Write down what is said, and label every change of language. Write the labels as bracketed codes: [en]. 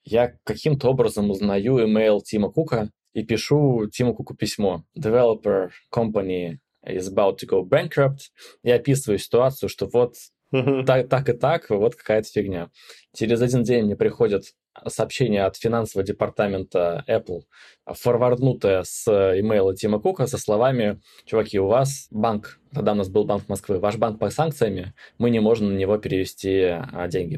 [ru] Я каким-то образом узнаю email Тима Кука и пишу Тиму Куку письмо. [en] Developer company is about to go bankrupt. [ru] Я описываю ситуацию, что вот так и так, вот какая-то фигня. Через один день мне приходит сообщение от финансового департамента Apple, форварднутое с имейла Тима Кука со словами: «Чуваки, у вас банк, тогда у нас был Банк Москвы, ваш банк под санкциями, мы не можем на него перевести деньги.